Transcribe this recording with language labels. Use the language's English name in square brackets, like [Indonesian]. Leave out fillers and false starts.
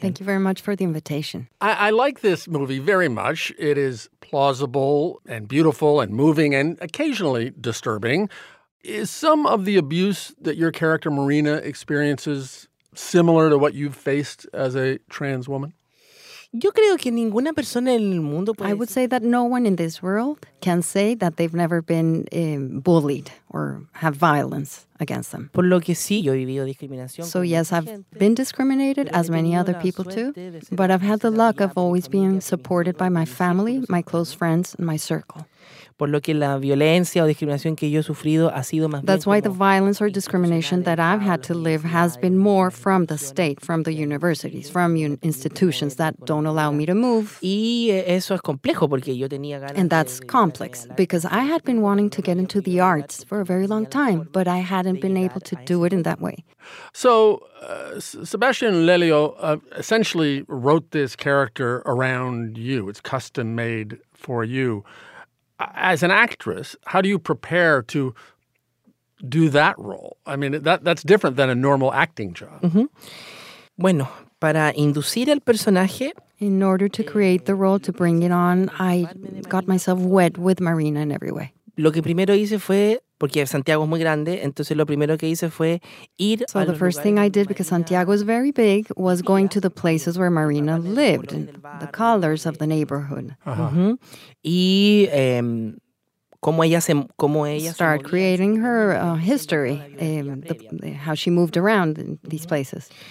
[English] Thank you very much for the invitation. I like this movie very much. It is plausible and beautiful and moving and occasionally disturbing. Is some of the abuse that your character Marina experiences similar to what you've faced as a trans woman? [Spanish] Yo creo que ninguna persona en el mundo puede [English] I would say that no one in this world can say that they've never been bullied or have violence against them. [Spanish] Por lo que sí, yo he vivido discriminación. [English] So yes, I've been discriminated as many other people too, but I've had the luck of always being supported by my family, my close friends, and my circle. [Spanish] Por lo que la violencia o discriminación que yo he sufrido ha sido más [English] That's why the violence or discrimination that I've had to live has been more from the state, from the universities, from institutions that don't allow me to move. [Spanish] Y eso es complejo porque yo tenía ganas [English] And that's complex because I had been wanting to get into the arts for a very long time, but I hadn't been able to do it in that way. So Sebastián Lelio essentially wrote this character around you. It's custom made for you. As an actress, how do you prepare to do that role? I mean, that's different than a normal acting job. [Spanish] Mm-hmm. Bueno, para inducir el personaje... [English] In order to create the role, to bring it on, I got myself wet with Marina in every way. [Spanish] Lo que primero hice fue... Porque Santiago es muy grande, entonces lo primero que hice fue ir... [English] So the first thing I did, because Santiago is very big, was going to the places where Marina lived, the colors of the neighborhood. Uh-huh. Mm-hmm. Y... Start creating her history, how she moved around in these places.